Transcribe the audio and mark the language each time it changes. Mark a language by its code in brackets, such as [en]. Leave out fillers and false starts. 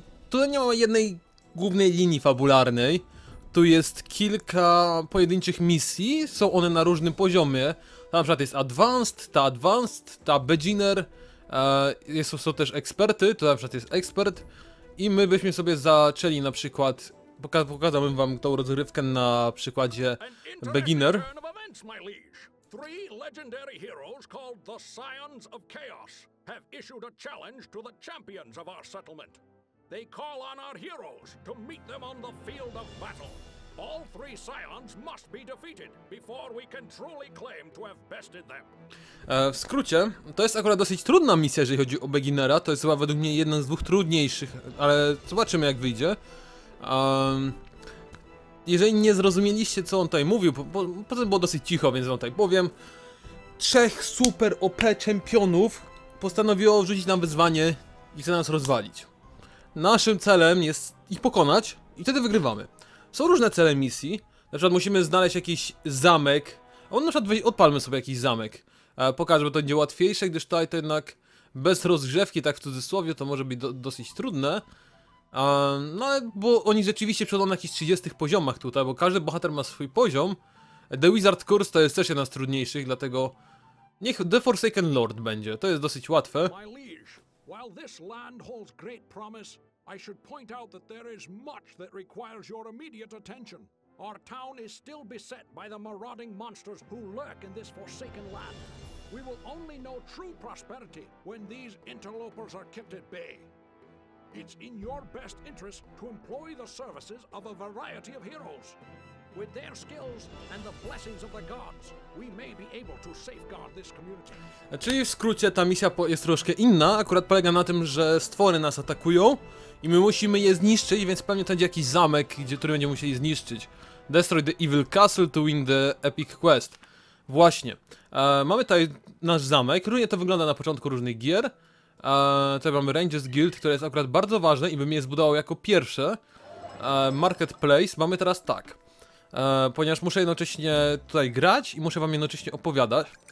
[pl] Tu nie ma jednej głównej linii fabularnej. Tu jest kilka pojedynczych misji, są one na różnym poziomie. Tam na przykład jest Advanced, ta Beginner. Są też eksperty, tu na przykład jest ekspert. I my byśmy sobie zaczęli na przykład... Pokazałbym wam tą rozgrywkę na przykładzie Beginner. [en] Three legendary heroes called the Scions of Chaos have issued a challenge to the champions of our settlement. They call on our heroes to meet them on the field of battle. All three Scions must be defeated before we can truly claim to have bested them. [pl] W skrócie, to jest akurat dosyć trudna misja, jeżeli chodzi o Beginnera. To jest chyba według mnie jedna z dwóch trudniejszych, ale zobaczymy jak wyjdzie. Jeżeli nie zrozumieliście, co on tutaj mówił, potem było dosyć cicho, więc on tutaj powiem. Trzech super OP czempionów postanowiło rzucić nam wyzwanie i chce nas rozwalić. Naszym celem jest ich pokonać i wtedy wygrywamy. Są różne cele misji, na przykład musimy znaleźć jakiś zamek. On na przykład odpalmy sobie jakiś zamek. Pokażę, bo to będzie łatwiejsze, gdyż tutaj to jednak bez rozgrzewki, tak w cudzysłowie, to może być dosyć trudne. No bo oni rzeczywiście przychodzą na jakichś 30 poziomach tutaj, bo każdy bohater ma swój poziom. The Wizard Course to jest też jedna z trudniejszych, dlatego niech The Forsaken Lord będzie, to jest dosyć łatwe. [en] My liege, while this land holds great promise, I should point out that there is much that requires your immediate attention. Our town is still beset by the marauding monsters who lurk in this forsaken land. We will only know true prosperity when these interlopers are kept at bay. It's in your best interest to employ the services of a variety of heroes. With their skills and the blessings of the gods, we may be able to safeguard this community. [pl] Czyli w skrócie ta misja jest troszkę inna. Akurat polega na tym, że stwory nas atakują i my musimy je zniszczyć, więc pewnie to będzie jakiś zamek, który będziemy musieli zniszczyć. [en] Destroy the evil castle to win the epic quest. [pl] Właśnie. Mamy tutaj nasz zamek. Różnie to wygląda na początku różnych gier. Tutaj mamy Rangers Guild, które jest akurat bardzo ważne i bym je zbudował jako pierwsze. Marketplace mamy teraz tak. Ponieważ muszę jednocześnie tutaj grać i muszę wam jednocześnie opowiadać.